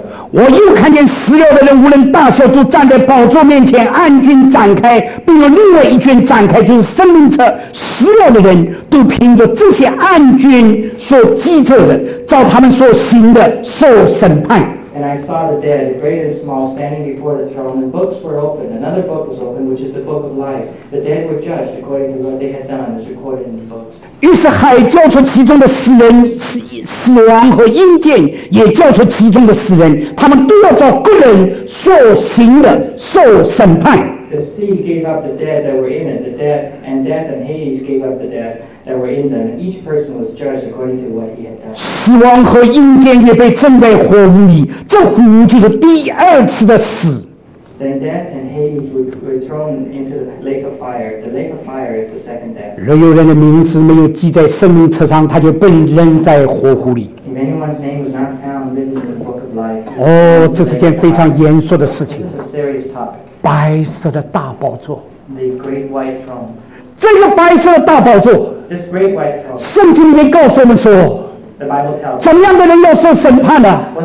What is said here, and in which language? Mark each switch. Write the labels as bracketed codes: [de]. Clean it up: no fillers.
[zh] 我又看见死了的人无论大小都站在宝座面前安静展开，并有另外一卷展开，就是生命册。死了的人都凭着这些案卷所记着的，照他们所行的受审判。 [en] And I saw the dead, great and small, standing before the throne, and books were opened. Another book was opened, which is the book of life. The dead were judged according to what they had done, as recorded in the books. [zh] 于是海交出其中的死人，死亡和阴间也交出其中的死人，他们都要照个人所行的受审判。 [en] The sea gave up the dead that were in it, the dead, and death and Hades gave up the dead. That were in them. Each person was judged according to what he had done. [zh] 死亡和阴间也被正在火屋里，这火就是第二次的死。 [en] Then death and Hades were thrown into the lake of fire. The lake of fire is the second death. [zh] 若有人的名字没有记在生命册上，他就被扔在火湖里。 [en] If anyone's name was not found written in the book of life, [zh] 哦，这是件非常严肃的事情。 [en] This is a serious topic. [zh] 白色的大宝座。 [en] The great white throne. [zh] 这个白色的大宝座，圣经里面告诉我们说，怎么样的人要受审判呢？